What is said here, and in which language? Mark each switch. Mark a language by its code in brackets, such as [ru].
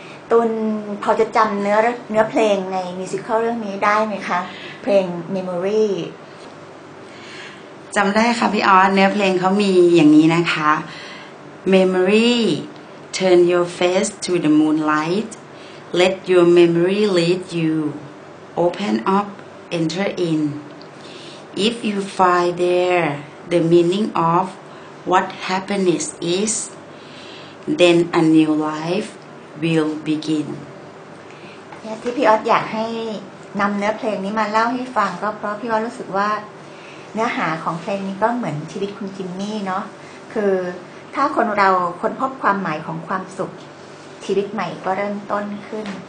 [th] ตุนพอจะจำเนื้อเพลงใน Musical เรื่องนี้ได้ไหมคะเพลง Memory จำได้ค่ะพี่ออสเนื้อเพลงเขามีอย่างนี้นะคะ [en] Memory Turn your face to the moonlight Let your memory lead youOpen up, enter in. If you find there the meaning of what happiness is, then a new life will begin. [th] ที่พี่ออสอยากให้นำเนื้อเพลงนี้มาเล่าให้ฟังก็เพราะพี่ออสรู้สึกว่าเนื้อหาของเพลงนี้ก็เหมือนชีวิตคุณจิมมี่เนาะคือถ้าคนเราค้นพบความหมายของความสุขชีวิตใหม่ก็เริ่มต้นขึ้น